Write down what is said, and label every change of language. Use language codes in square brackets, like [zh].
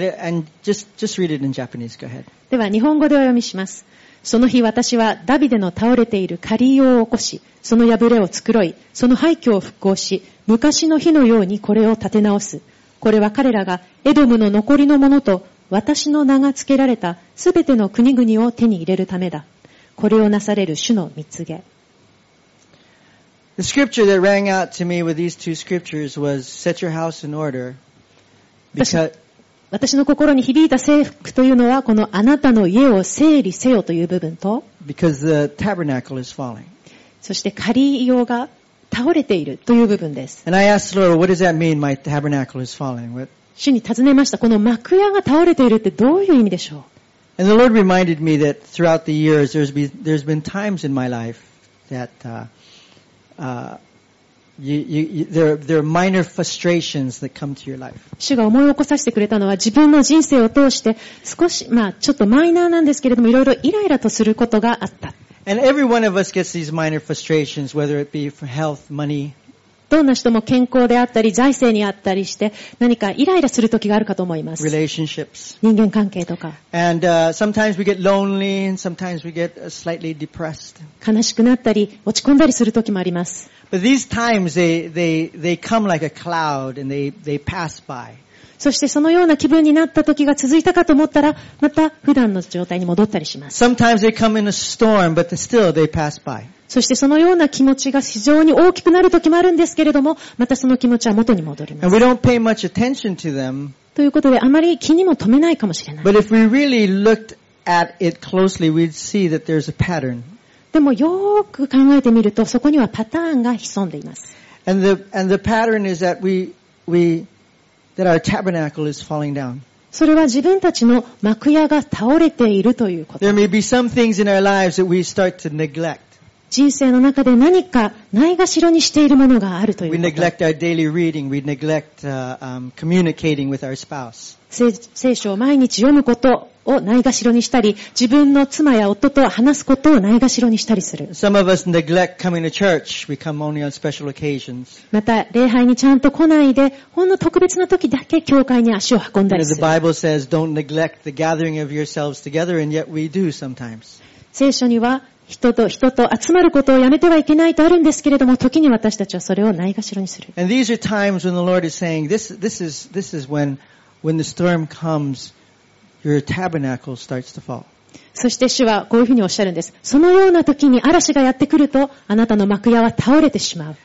[en] And just read it in Japanese. Go ahead. [ja] では日本語でお読みします。その日私はダビデの倒れている仮居を起こし、その破れを繕い、その廃墟を復興し、昔の日のようにこれを建て直す。これは彼らがエドムの残りのものと私の名が付けられたすべての国々を手に入れるためだ。これをなされる主の御告げ。 [en] The scripture that rang out to me with these two scriptures was set your house in order. Because [ja] 私の心に響いた聖句というのはこのあなたの家を整理せよという部分と [en] because the tabernacle is falling. [ja] そして仮居が倒れているという部分です。 [en] And I asked the Lord, what does that mean, my tabernacle is falling? What? [ja] 主に尋ねました。この幕屋が倒れているってどういう意味でしょう? [en] And the Lord reminded me that throughout the years there's been times in my life that, there are minor frustrations that come to your life. [ja] 主が思い起こさせてくれたのは自分の人生を通して少しまあちょっとマイナーなんですけれどもいろいろイライラとすることがあった。 [en] And every one of us gets these minor frustrations, whether it be for health, money. [ja] どんな人も健康であったり財政にあったりして何かイライラする時があるかと思います。 [en] Relationships. [ja] 人間関係とか。 [en] And sometimes we get lonely and sometimes we get slightly depressed. [ja] 悲しくなったり落ち込んだりする時もあります。 [en] But these times they come like a cloud and they pass by. [ja] そしてそのような気分になった時が続いたかと思ったらまた普段の状態に戻ったりします。 [en] Sometimes they come in a storm, but still they pass by. [ja] そしてそのような気持ちが非常に大きくなる時もあるんですけれども、またその気持ちは元に戻ります。 [en] And we don't pay much attention to them. [ja] ということで、あまり気にも留めないかもしれない。 [en] But if we really looked at it closely, we'd see that there's a pattern. [ja] でもよーく考えてみると、そこにはパターンが潜んでいます。 [en] And the pattern is that that our tabernacle is falling down. [ja] それは自分たちの幕屋が倒れているということ。 [en] There may be some things in our lives that we start to neglect. [ja] 人生の中で何かないがしろにしているものがあるということ。 [en] We neglect our daily reading. We neglect, communicating with our spouse. [ja] 聖書を毎日読むことをないがしろにしたり、自分の妻や夫と話すことをないがしろにしたりする。 [en] Some of us neglect coming to church. We come only on special occasions. [ja] また、礼拝にちゃんと来ないで、ほんの特別な時だけ教会に足を運んだりする。 [en] The Bible says, don't neglect the gathering of yourselves together, and yet we do sometimes. [ja] 聖書には、人と集まることをやめてはいけないとあるんですけれども、時に私たちはそれをないがしろにする。 [en] And these are times when the Lord is saying, this is when the storm comes,Your tabernacle starts to fall. [ja] そして主はこういうふうにおっしゃるんです。そのような時に嵐がやってくると、あなたの幕屋は倒れてしまう。